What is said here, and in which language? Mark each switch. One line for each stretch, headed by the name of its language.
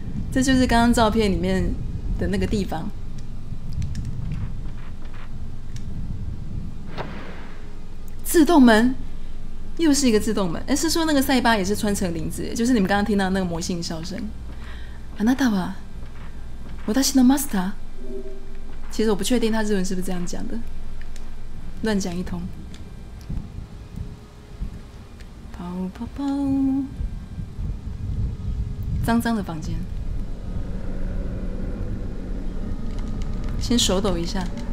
Chinese: 这就是刚刚照片里面的那个地方。自动门，又是一个自动门。是说那个塞巴也是穿成林子，就是你们刚刚听到那个魔性笑声。
Japanese: あなたは私のマスター。
Chinese: 其实我不确定他日文是不是这样讲的，乱讲一通。跑跑跑，脏脏的房间，先手抖一下。